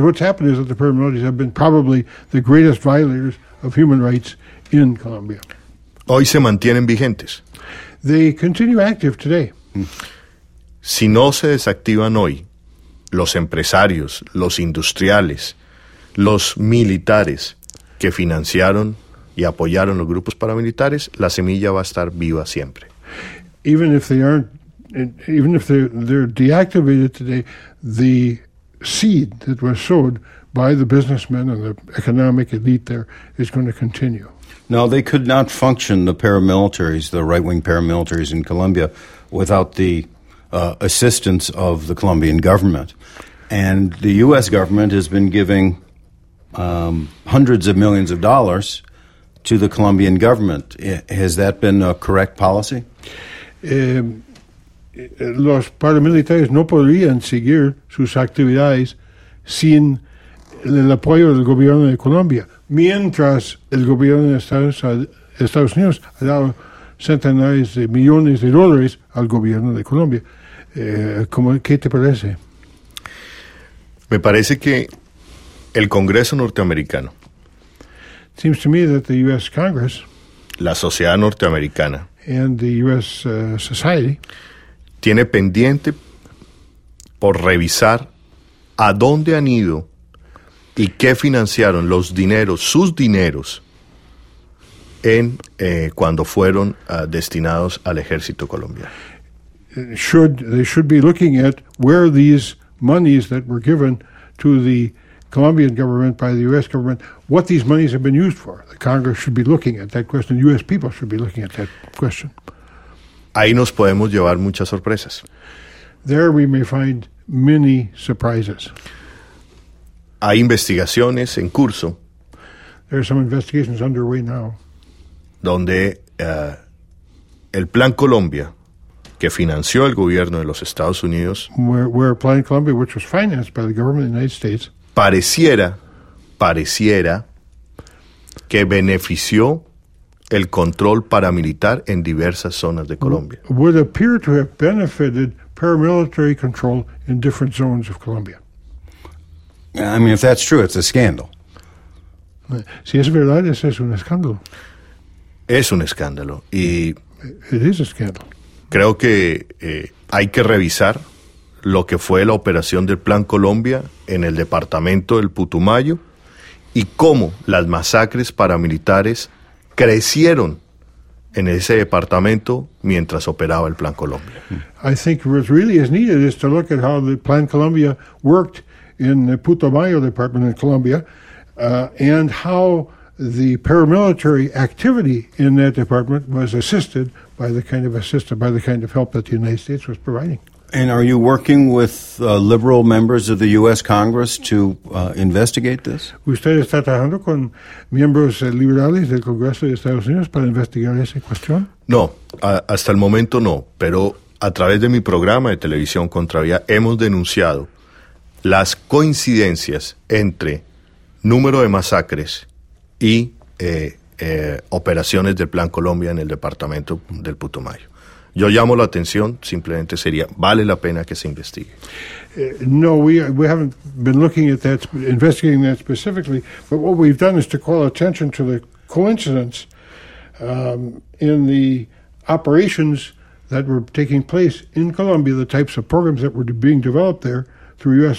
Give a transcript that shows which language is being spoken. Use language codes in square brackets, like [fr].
[en] What's happened is that the paramilitaries have been probably the greatest violators of human rights in Colombia. [es] Hoy se mantienen vigentes. [en] They continue active today. [es] Si no se desactivan hoy, los empresarios, los industriales, los militares que financiaron y apoyaron los grupos paramilitares, la semilla va a estar viva siempre. [en] Even if they aren't. And even if they're deactivated today, the seed that was sowed by the businessmen and the economic elite there is going to continue. Now, they could not function, the paramilitaries, the right-wing paramilitaries in Colombia, without the assistance of the Colombian government. And the U.S. government has been giving hundreds of millions of dollars to the Colombian government. Has that been a correct policy? [es] Los paramilitares no podrían seguir sus actividades sin el apoyo del gobierno de Colombia, mientras el gobierno de Estados Unidos ha dado centenares de millones de dólares al gobierno de Colombia. ¿Qué te parece? Me parece que el Congreso norteamericano. [en] Seems to me that the U.S. Congress. [es] La sociedad norteamericana. [en] And the U.S. society. [es] Tiene pendiente por revisar a dónde han ido y qué financiaron los dineros, sus dineros, en cuando fueron destinados al ejército colombiano. [en] They should be looking at where these monies that were given to the Colombian government by the U.S. government, what these monies have been used for. The Congress should be looking at that question. U.S. people should be looking at that question. [es] Ahí nos podemos llevar muchas sorpresas. [en] There we may find many surprises. [es] Hay investigaciones en curso. [en] There are some investigations underway now. [es] donde el Plan Colombia, que financió el gobierno de los Estados Unidos, [en] where Plan Colombia, which was financed by the government of the United States, [es] pareciera que benefició el control paramilitar en diversas zonas de Colombia. [en] Would appear to have benefited paramilitary control in different zones of Colombia. I mean, if that's true, it's a scandal. [es] Si es verdad, ese es un escándalo. Es un escándalo. Y [en] it is a scandal. [es] Creo que hay que revisar lo que fue la operación del Plan Colombia en el departamento del Putumayo y cómo las masacres paramilitares crecieron en ese departamento mientras operaba el Plan Colombia. [en] I think what really is needed is to look at how the Plan Colombia worked in the Putumayo Department in Colombia and how the paramilitary activity in that department was assisted by the kind of help that the United States was providing. And are you working with liberal members of the U.S. Congress to investigate this? [es] Usted está trabajando con miembros liberales del Congreso de Estados Unidos para investigar esa cuestión? No, hasta el momento no, pero a través de mi programa de televisión Contravía hemos denunciado las coincidencias entre número de masacres y operaciones del Plan Colombia en el departamento del Putumayo. Yo llamo la atención, simplemente sería, vale la pena que se investigue. [en] No, we haven't been looking at that, investigating that specifically, but what we've done is to call attention to the coincidence in the operations that were taking place in Colombia, the types of programs that were being developed there through U.S.